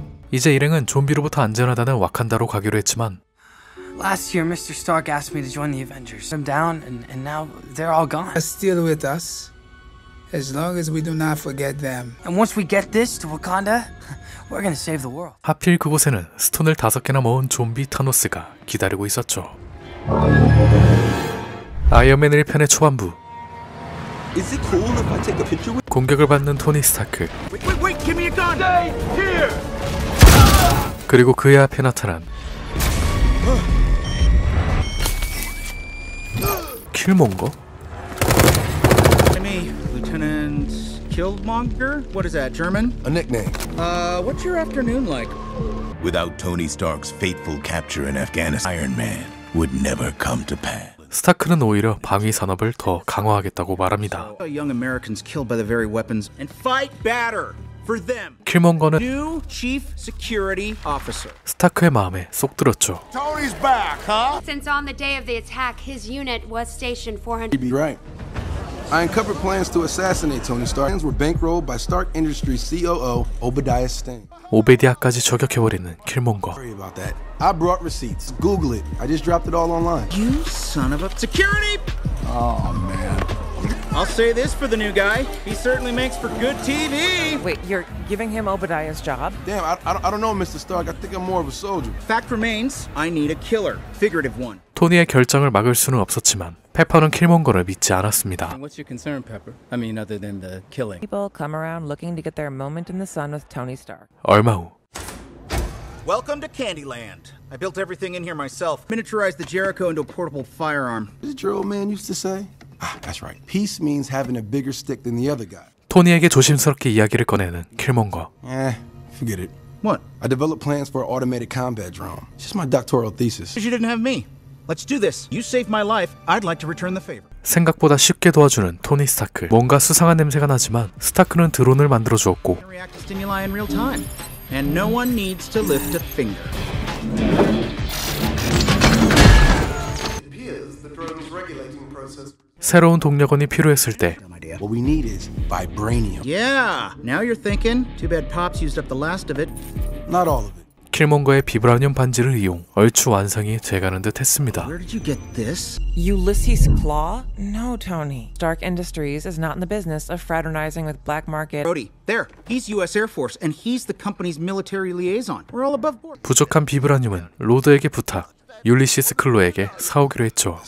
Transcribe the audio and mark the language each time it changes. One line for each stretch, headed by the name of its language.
Korean: 이제 일행은 좀비로부터 안전하다는 와칸다로 가기로 했지만
English: Last year Mr. Stark asked me to join the Avengers. I'm down and now they're all gone. They're still with us as long as we do not forget them. And once we get this to Wakanda, we're going to save the world.
Korean: 하필 그곳에는 스톤을 다섯 개나 모은 좀비 타노스가 기다리고 있었죠. 아이언맨 1편의 초반부
English: Is it cool if I take a picture with...
Korean: 공격을 받는 토니 스타크
English: wait, give me a gun. Stay here.
Korean: 그리고 그의 앞에 나타난 킬몽거?
English: Me, Lieutenant Killmonger? What is that, German? A nickname. What's your afternoon like? Without Tony Stark's fateful capture in Afghanistan, Iron Man would never come to pass.
Korean: 스타크는 오히려 방위 산업을 더 강화하겠다고 말합니다.
English: Young Americans killed by the very weapons and fight better for them.
Korean: 킬몬거는
English: New Chief Security Officer.
Korean: 스타크의 마음에 쏙 들었죠.
English: Tony's back, huh? Since on the day of the attack, his unit was stationed 400. You'd be right. I uncovered plans to assassinate Tony Stark. Plans were bankrolled by Stark Industries COO Obadiah Stane.
Korean: 오베디아까지 저격해버리는 킬몽거.
English: Sorry about that. I brought receipts. Google it. I just dropped it all online. You son of a security! Oh man. I'll say this for the new guy. He certainly makes for good TV. Wait, you're giving him Obadiah's job? Damn, I don't know, Mr. Stark. I think I'm more of a soldier. Fact remains, I need a killer. Figurative one.
Korean: 토니의 결정을 막을 수는 없었지만 페퍼는 킬몽거를 믿지 않았습니다.
English: What's your concern, Pepper? I mean, other than the killing. People come around looking to get their moment in the sun with Tony Stark.
Korean: 얼마 후.
English: Welcome to Candyland. I built everything in here myself. Miniaturized the Jericho into a portable firearm. Is it your old man used to say? That's right. Peace means having a bigger stick than the other guy.
Korean: 토니에게 조심스럽게 이야기를 꺼내는 킬몽거.
English: Eh, forget it. What? I developed plans for an automated combat drone. It's just my doctoral thesis. Because you didn't have me. Let's do this. You saved my life. I'd like to return the favor.
Korean: 생각보다 쉽게 도와주는 토니 스타크. 뭔가 수상한 냄새가 나지만 스타크는 드론을 만들어 주었고.
English: React to stimuli in real time. And no one needs to lift a finger. It appears the drone's regulating process.
Korean: 새로운 동력원이 필요했을 때
English: What we need is vibranium. Yeah. Now you're thinking. Too bad Pops used up the last of it. Not all of it.
Korean: 킬몽거의 비브라늄 반지를 이용 얼추 완성이 돼가는 듯했습니다.
English: Where did you get this? Ulysses Claw? No, Tony. Stark Industries is not in the business of fraternizing with black market. Brody, there. He's U.S. Air Force, and he's the company's military liaison. We're all above board.
Korean: 부족한 비브라늄은 로드에게 부탁. 율리시스 클로에게 사오기로 했죠.